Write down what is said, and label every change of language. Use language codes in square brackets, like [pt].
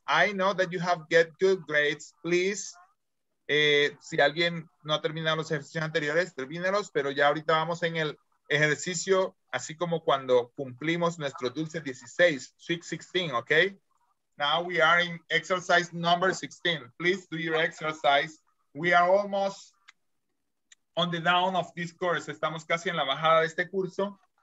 [en] I know that you have get good grades, please. [es] Si alguien no ha terminado los ejercicios anteriores, termínelos, pero ya ahorita vamos en el ejercicio, así como cuando cumplimos nuestro dulce 16, sweet 16, ¿ok? [en] Now we are in exercise number 16. Please do your exercise. We are almost on the down of this course. [es] Estamos casi en la bajada de este curso.